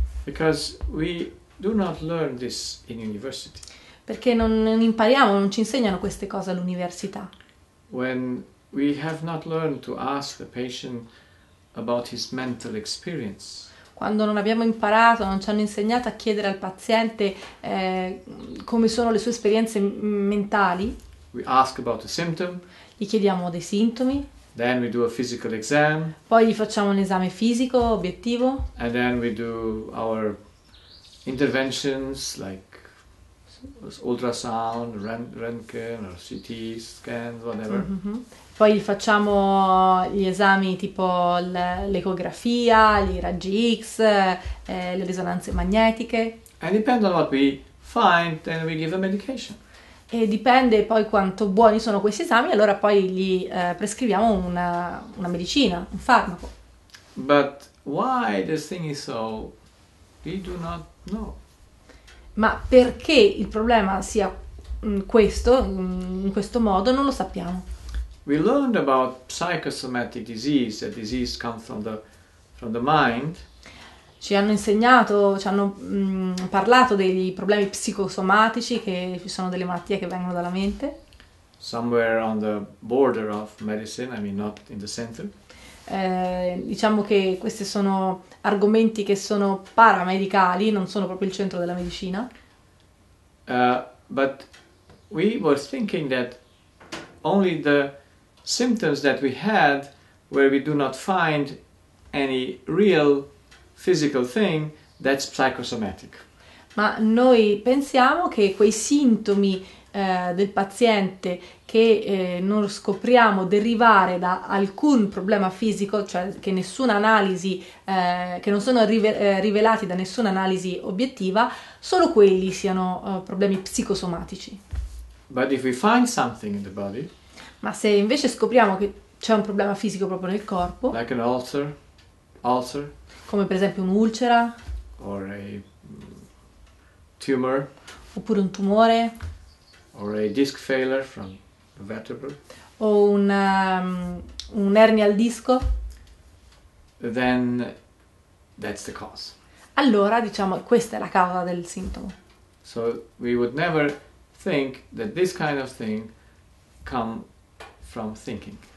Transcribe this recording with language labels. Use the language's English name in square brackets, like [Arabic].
[English] Because we do not learn this in university. [Italian] Perché non impariamo, non ci insegnano queste cose all'università. [English] When we have not learned to ask the patient about his mental experience. [Italian] Quando non abbiamo imparato, non ci hanno insegnato a chiedere al paziente come sono le sue esperienze mentali. [English] We ask about the symptom. [Italian] Gli chiediamo dei sintomi. [English] Then we do a physical exam. [Italian] Poi gli facciamo un esame fisico obiettivo. [English] And then we do our interventions like ultrasound, Röntgen or CT scans, whatever. Mm-hmm. [Italian] Poi gli facciamo gli esami tipo l'ecografia, i raggi X, le risonanze magnetiche. [English] And depending on what we find, then we give a medication. [Italian] E dipende poi quanto buoni sono questi esami, allora poi gli prescriviamo una medicina, un farmaco. [English] But why this thing is so, we do not know. [Italian] Ma perché il problema sia questo, in questo modo, non lo sappiamo. [English] We learned about psychosomatic disease, that disease comes from the mind. [Italian] Ci hanno insegnato, ci hanno parlato dei problemi psicosomatici, che ci sono delle malattie che vengono dalla mente. [English] Somewhere on the border of medicine, I mean not in the center. [Italian] Diciamo che questi sono argomenti che sono paramedicali, non sono proprio il centro della medicina. [English] But we were thinking that only the symptoms that we had, where we do not find any real physical thing, that's psychosomatic. [Italian] Ma noi pensiamo che quei sintomi del paziente che non scopriamo derivare da alcun problema fisico, cioè che nessuna analisi, che non sono rivelati da nessuna analisi obiettiva, solo quelli siano problemi psicosomatici. [English] But if we find something in the body, [Italian] ma se invece scopriamo che c'è un problema fisico proprio nel corpo, [English] like an ulcer, [Italian] come per esempio un'ulcera, [English] or a tumor, [Italian] oppure un tumore, [English] or a disc failure from a vertebra, [Italian] o un'ernia al disco, [English] then that's the cause. [Italian] Allora diciamo questa è la causa del sintomo. [English] So we would never think that this kind of thing come from thinking.